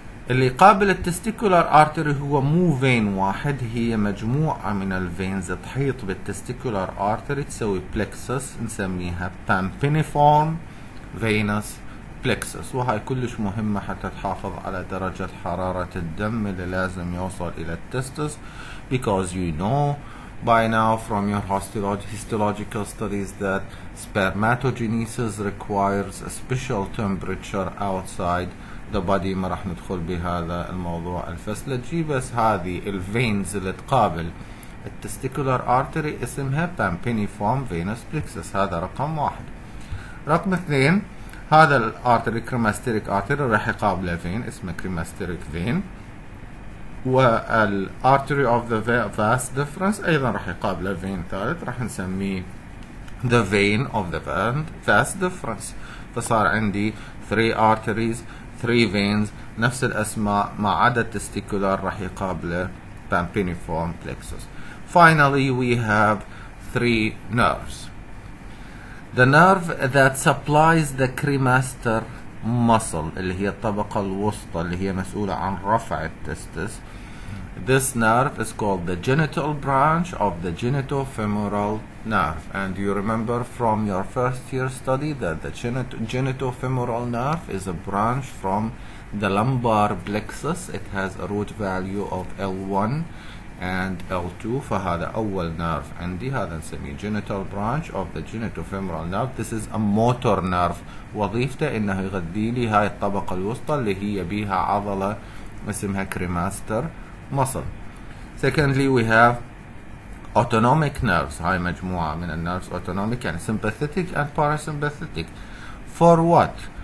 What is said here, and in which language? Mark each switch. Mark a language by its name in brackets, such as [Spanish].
[Arabic] اللي قابل التستيكولار ارتري هو مو فين واحد، هي مجموعة من الفينز تحيط بالتستيكولار ارتري تسوي بلكسس نسميها بامبينيفورم فينوس بلكسس. وهي كلش مهمة حتى تحافظ على درجة حرارة الدم اللي لازم يوصل الى التستس. [English] Because you know by now from your histological studies that spermatogenesis requires a special temperature outside the body. [Arabic] ما راح ندخل بهذا الموضوع الفسلجي، بس هذه الفينز اللي تقابل التستيكولار ارتري اسمها بامبينيفورم فينوس بلكسس. هذا رقم واحد. رقم اثنين، هذا الارتري كريماستيريك ارتري راح يقابل فين اسمه كريماستيريك فين، والارتري اوف ذا فاس ديفرنس ايضا راح يقابل فين ثالث راح نسميه ذا فين اوف ذا فاس ديفرنس. فصار عندي 3 ارتريز، 3 veins نفس الأسماء ما عدا testicular رح يقابله pampiniform plexus. [English] Finally we have 3 nerves. The nerve that supplies the cremaster muscle [Arabic] اللي هي الطبقة الوسطى اللي هي مسؤولة عن رفع التستس. [English] This nerve is called the genital branch of the genitofemoral nerve. And you remember from your first year study that the genitofemoral nerve is a branch from the lumbar plexus. It has a root value of L1 and L2. [Arabic] فهذا أول nerve عندي، هذا نسمي [English] genital branch of the genitofemoral nerve. This is a motor nerve. [Arabic] وظيفته إنه يغذي لي هاي الطبقة الوسطى اللي هي بيها عضلة اسمها cremaster muscle. [English] Secondly we have autonomic nerves. [Arabic] هاي مجموعة من النيرفز [English] autonomic [Arabic] يعني [English] sympathetic and parasympathetic. For what?